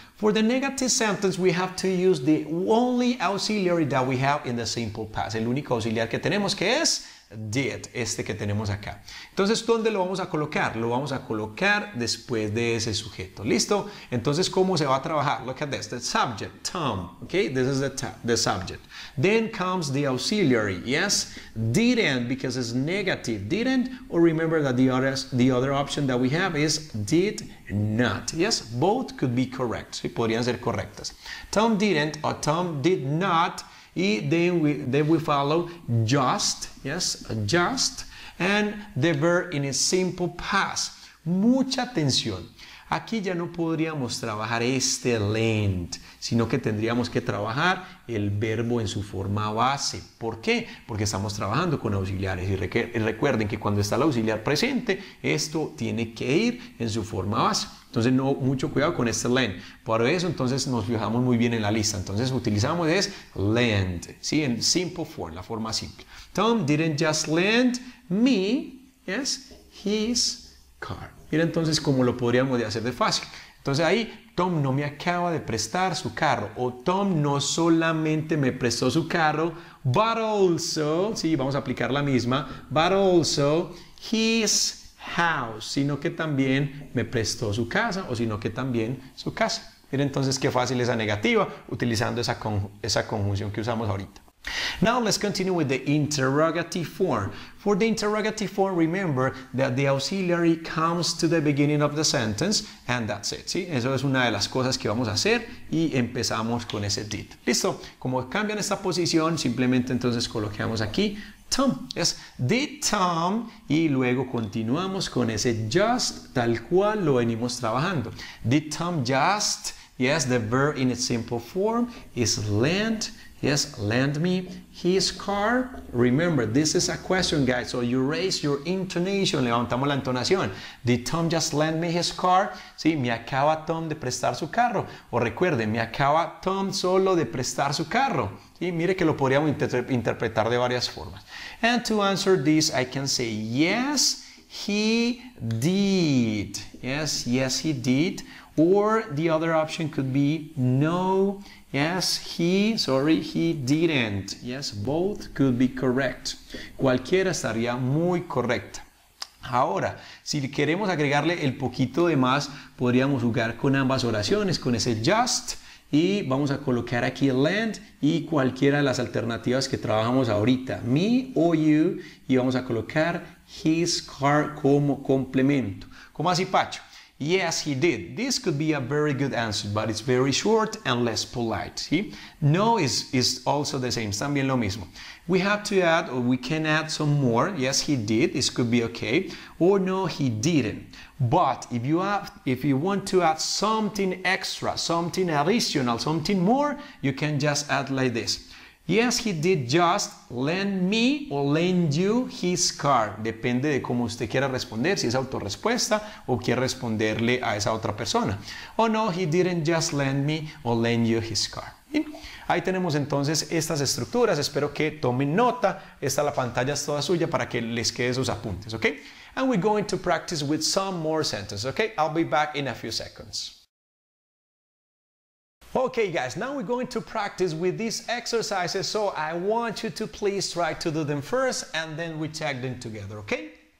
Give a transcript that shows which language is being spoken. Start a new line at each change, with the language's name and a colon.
English: For the negative sentence, we have to use the only auxiliary that we have in the simple past.
Spanish: El único auxiliar que tenemos que es did, este que tenemos acá. Entonces, ¿dónde lo vamos a colocar? Lo vamos a colocar después de ese sujeto. ¿Listo? Entonces, ¿cómo se va a trabajar?
English: Look at this. The subject, Tom. Okay, this is the subject. Then comes the auxiliary. Yes, didn't, because it's negative. Didn't, or remember that the other option that we have is did not. Yes, both could be correct.
Spanish: Sí, podrían ser correctas.
English: Tom didn't or Tom did not. Y then we follow just, yes, just, and the verb in a simple past.
Spanish: Mucha atención. Aquí ya no podríamos trabajar este lent, sino que tendríamos que trabajar el verbo en su forma base. ¿Por qué? Porque estamos trabajando con auxiliares. Y recuerden que cuando está el auxiliar presente, esto tiene que ir en su forma base. Entonces, no, mucho cuidado con este lent. Por eso, entonces, nos fijamos muy bien en la lista. Entonces, utilizamos es lent, ¿sí? En
English: simple form,
Spanish: la forma simple.
English: Tom didn't just lend me, yes, his car.
Spanish: Mira entonces cómo lo podríamos de hacer de fácil. Entonces ahí, Tom no me acaba de prestar su carro. O Tom no solamente me prestó su carro,
English: but also,
Spanish: sí, vamos a aplicar la misma,
English: but also his house,
Spanish: sino que también me prestó su casa, o sino que también su casa. Mira entonces qué fácil esa negativa, utilizando esa conjunción que usamos ahorita.
English: Now let's continue with the interrogative form. For the interrogative form, remember that the auxiliary comes to the beginning of the sentence and that's it.
Spanish: ¿Sí? Eso es una de las cosas que vamos a hacer y empezamos con ese did. ¿Listo? Como cambian esta posición, simplemente entonces coloquemos aquí Tom.
English: Yes, did Tom,
Spanish: y luego continuamos con ese just tal cual lo venimos trabajando.
English: Did Tom just, yes, the verb in its simple form is lent. Yes, lend me his car. Remember, this is a question, guys. So you raise your intonation.
Spanish: Levantamos la entonación.
English: Did Tom just lend me his car?
Spanish: Sí, me acaba Tom de prestar su carro. O recuerde, me acaba Tom solo de prestar su carro. Sí, mire que lo podríamos interpretar de varias formas.
English: And to answer this, I can say, yes, he did. Yes, yes, he did. Or the other option could be, no, Yes, he, sorry, he didn't. Yes, both could be correct.
Spanish: Cualquiera estaría muy correcta. Ahora, si queremos agregarle el poquito de más, podríamos jugar con ambas oraciones, con ese just, y vamos a colocar aquí el land y cualquiera de las alternativas que trabajamos ahorita, me o you, y vamos a colocar his car como complemento. ¿Cómo así, Pacho?
English: Yes, he did. This could be a very good answer, but it's very short and less polite. See? No is also the same.
Spanish: También lo mismo.
English: We have to add, or we can add some more. Yes, he did. This could be okay. Or no, he didn't. But if you want to add something extra, something additional, something more, you can just add like this. Yes, he did just lend me or lend you his car.
Spanish: Depende de cómo usted quiera responder, si es autorrespuesta o quiere responderle a esa otra persona.
English: Oh no, he didn't just lend me or lend you his car.
Spanish: ¿Bien? Ahí tenemos entonces estas estructuras. Espero que tomen nota. Esta la pantalla es toda suya para que les quede sus apuntes, ¿ok?
English: And we're going to practice with some more sentences, ¿ok? I'll be back in a few seconds. Okay, guys, now we're going to practice with these exercises, so I want you to please try to do them first, and then we check them together, okay?